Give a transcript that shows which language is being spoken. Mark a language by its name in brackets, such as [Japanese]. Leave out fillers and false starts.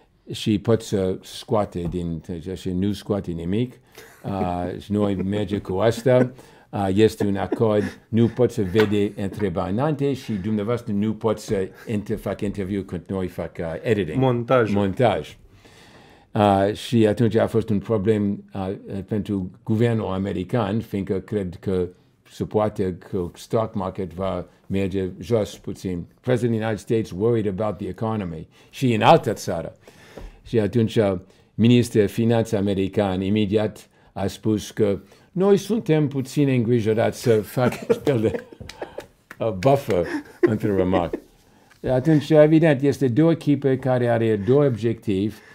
[Romanian] Și pot să scoate din, și nu scoate nimic, și noi merge cu asta, este un acord, nu pot să vede întrebări înainte și dumneavoastră nu pot să fac interviu când noi fac editing. Montaj. Și atunci a fost un problem pentru guvernul american, fiindcă cred că se poate că stock market va merge jos puțin. [English] President of the United States worried about the economy. [Romanian] Și în altă țară. Și atunci ministrul finanțe american imediat a spus că noi suntem puțin îngrijorați să fac un fel de buffer între remarc. Atunci, evident, este două echipe care are două obiective.